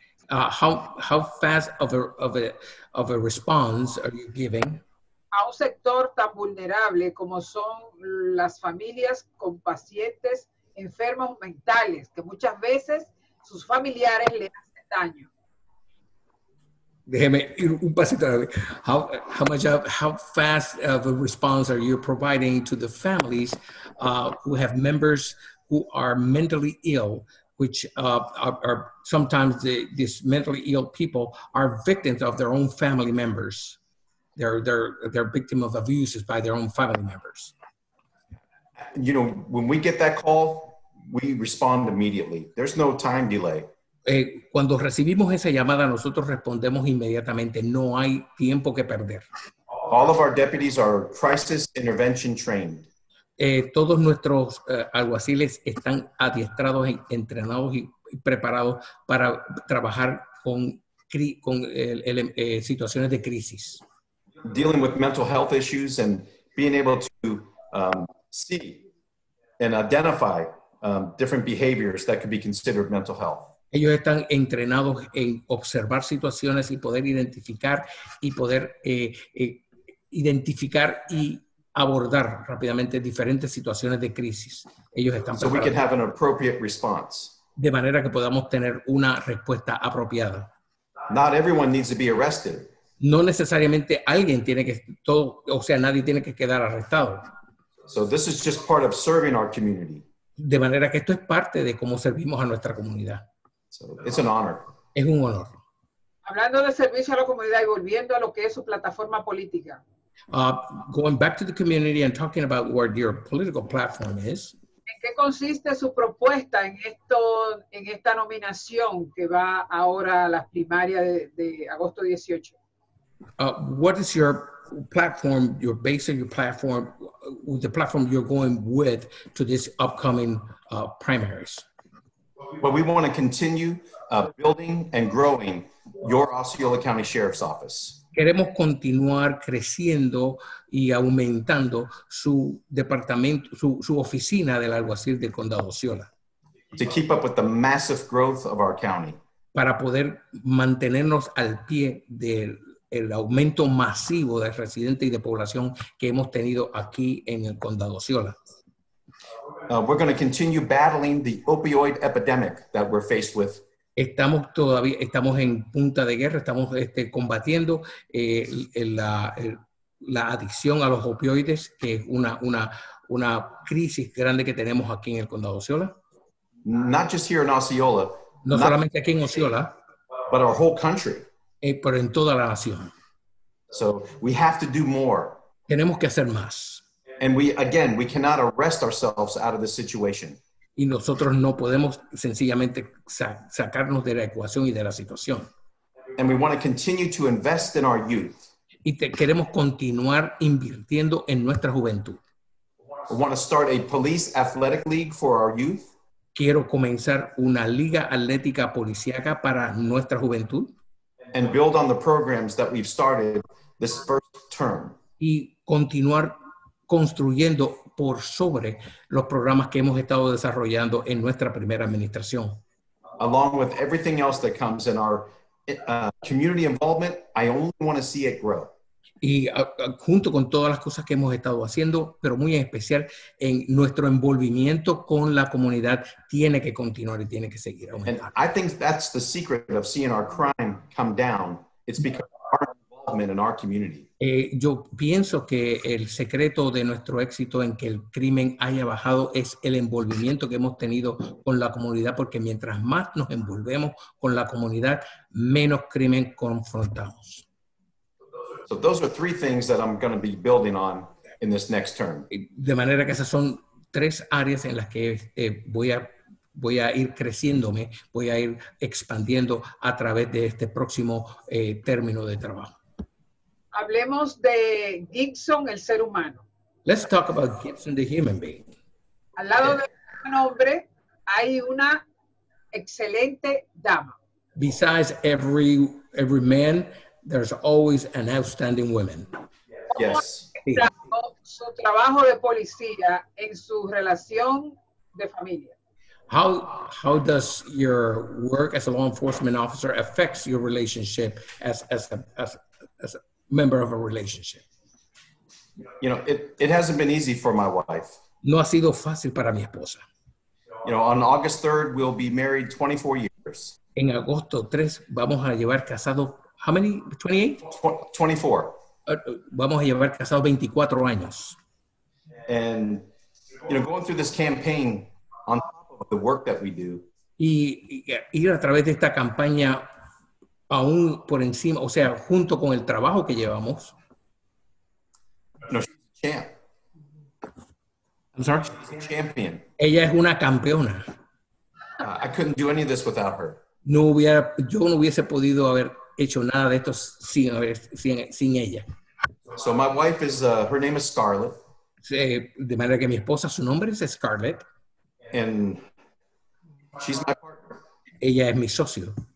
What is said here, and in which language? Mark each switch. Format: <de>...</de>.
<en>How fast of a response are you giving?</en> <es>A un sector tan vulnerable como son las familias con pacientes enfermos mentales, que muchas veces sus familiares le hacen daño. Déjeme ir un pasito.</es> <en>How fast of a response are you providing to the families who have members who are mentally ill, which are sometimes these mentally ill people are victims of their own family members. They're victim of abuses by their own family members. You know, when we get that call, we respond immediately. There's no time delay.</en> <es>Cuando recibimos esa llamada, nosotros respondemos inmediatamente. No hay tiempo que perder.</es> <en>All of our deputies are crisis intervention trained.</en> <es>Todos nuestros alguaciles están adiestrados, entrenados y preparados para trabajar con situaciones de crisis.</es> <en>Dealing with mental health issues and being able to see and identify different behaviors that could be considered mental health.</en> <es>Ellos están entrenados en observar situaciones y poder identificar y poder identificar y abordar rápidamente diferentes situaciones de crisis. Ellos están preparados.</es> <en>So we can have an appropriate response.</en> <es>De manera que podamos tener una respuesta apropiada.</es> <en>Not everyone needs to be arrested.</en> <es>No necesariamente alguien tiene que todo, o sea, nadie tiene que quedar arrestado.</es> <en>So this is just part of serving our community.</en> <es>De manera que esto es parte de cómo servimos a nuestra comunidad.</es> <en>So it's an honor.</en> <es>Es un honor. Hablando de servicio a la comunidad y volviendo a lo que es su plataforma política.</es> <en>Going back to the community and talking about what your political platform is.</en> <es>¿En qué consiste su propuesta en esto, en esta nominación que va ahora a las primarias de agosto 18?</es> <en>What is your platform, your base of your platform, the platform you're going with to this upcoming primaries? Well, we want to continue building and growing your Osceola County Sheriff's Office.</en> <es>Queremos continuar creciendo y aumentando su departamento, su oficina del alguacil del condado Osceola.</es> <en>To keep up with the massive growth of our county.</en> <es>Para poder mantenernos al pie del el aumento masivo de residentes y de población que hemos tenido aquí en el condado Osceola.</es> <en>We're going to continue battling the opioid epidemic that we're faced with.</en> <es>Estamos todavía, estamos en punta de guerra, estamos combatiendo la adicción a los opioides, que es una crisis grande que tenemos aquí en el condado Osceola.</es> <en>Not just here in Osceola.</en> <es>No solamente aquí en Osceola.</es> <en>But our whole country.</en> <es>Pero en toda la nación.</es> <en>So we have to do more.</en> <es>Tenemos que hacer más.</es> <en>And we, again, we cannot arrest ourselves out of the situation.</en> <es>Y nosotros no podemos sencillamente sacarnos de la ecuación y de la situación.</es> <en>And we want to continue to invest in our youth.</en> <es>Y queremos continuar invirtiendo en nuestra juventud.</es> <en>We want to start a police athletic league for our youth.</en> <es>Quiero comenzar una liga atlética policíaca para nuestra juventud.</es> <en>And build on the programs that we've started this first term.</en> <es>Y continuar construyendo por sobre los programas que hemos estado desarrollando en nuestra primera administración.</es> <en>Along with everything else that comes in our community involvement, I only want to see it grow.</en> <es>Y junto con todas las cosas que hemos estado haciendo, pero muy en especial en nuestro envolvimiento con la comunidad, tiene que continuar y tiene que seguir aumentando.</es> <en>And I think that's the secret of seeing our crime come down. It's because of our involvement in our community.</en> <es>Yo pienso que el secreto de nuestro éxito en que el crimen haya bajado es el envolvimiento que hemos tenido con la comunidad, porque mientras más nos envolvemos con la comunidad, menos crimen confrontamos.</es> <en>So those are three things that I'm going to be building on in this next term.</en> <es>De manera que esas son tres áreas en las que voy a ir creciéndome, voy a ir expandiendo a través de este próximo término de trabajo. Hablemos de Gibson, el ser humano.</es> <en>Let's talk about Gibson, the human being.</en> <es>Al lado de un hombre hay una excelente dama.</es> <en>Besides every man, there's always an outstanding woman. Yes.</en> <es>Su trabajo de policía en su relación de familia.</es> <en>How does your work as a law enforcement officer affect your relationship as a member of a relationship? You know, it hasn't been easy for my wife.</en> <es>No ha sido fácil para mi esposa.</es> <en>You know, on August 3rd, we'll be married 24 years.</en> <es>En agosto 3, vamos a llevar casado.</es> <en>How many? 28? 24.</en> <es>Vamos a llevar casado 24 años.</es> <en>And, you know, going through this campaign on top of the work that we do.</en> <es>Y ir a través de esta campaña aún por encima, o sea, junto con el trabajo que llevamos.</es> <en>No, she's a champ. I'm sorry? She's a champion.</en> <es>Ella es una campeona.</es> <en>I couldn't do any of this without her.</en> <es>Yo no hubiese podido haber hecho nada de esto sin ella.</es> <en>So my wife is, her name is Scarlett.</en> <es>De manera que mi esposa, su nombre es Scarlett.</es> <en>And she's my partner.</en> <es>Ella es mi socio.</es>